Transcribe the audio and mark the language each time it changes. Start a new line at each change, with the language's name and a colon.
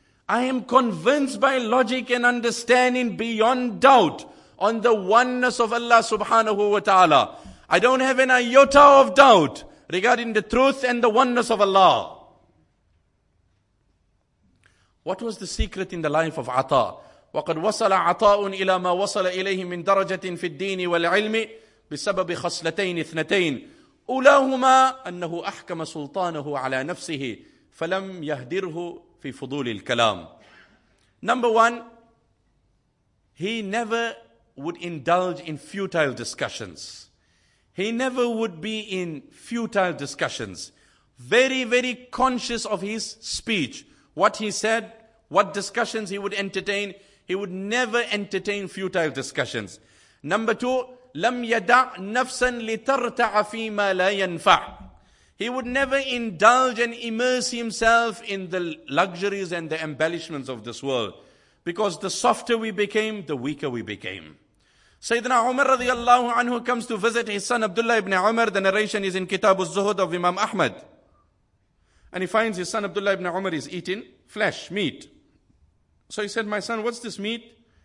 English: I am convinced by logic and understanding beyond doubt on the oneness of Allah subhanahu wa ta'ala. I don't have an iota of doubt regarding the truth and the oneness of Allah. What was the secret in the life of عطاء?
Arabic: وقد وصل عطاء إلى ما وصل إليه من درجة في الدين والعلم بسبب خصلتين اثنتين أولاهما أنه أحكم سلطانه على نفسه فلم يهدره في فضول الكلام.
English: Number one, he never would indulge in futile discussions. He never would be in futile discussions. Very, very conscious of his speech. What he said, what discussions he would entertain. He would never entertain futile discussions. Number two,
Arabic: لم يدع نفسا لترتع فيما لا ينفع.
English: He would never indulge and immerse himself in the luxuries and the embellishments of this world. Because the softer we became, the weaker we became. Sayyidina Umar radiallahu anhu comes to visit his son Abdullah ibn Umar. The narration is in Kitab al-Zuhud of Imam Ahmad. And he finds his son Abdullah ibn Umar is eating flesh, meat. So he said, my son, what's this meat?